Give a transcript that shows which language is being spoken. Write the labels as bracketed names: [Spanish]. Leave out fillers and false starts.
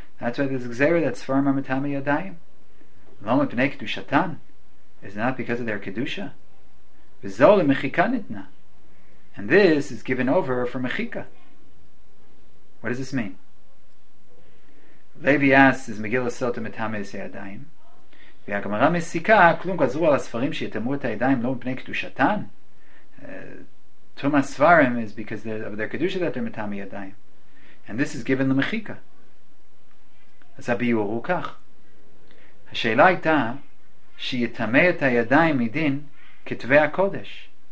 [English] That's why there's a Gzeira that Svarim are Matami Yadayim. [Hebrew] Lo mipnei kedushatan. [English] Is not because of their Kedusha. [Hebrew] V'zol mechika nitna. [English] And this is given over for Mechika. What does this mean? Levi asks, is Megillah Sota Matami Yadayim? [Hebrew] והגמרא מסיקה, כלום גזרו על הספרים שיתמו את הידיים לא מפני קדושתן. [English] Tumas Svarim is because of their kedusha that they're metami ידיים. And this is given למחיקה. [Hebrew] אז הביאור הוא כך. השאלה הייתה שיתמה את הידיים מדין כתבי הקודש.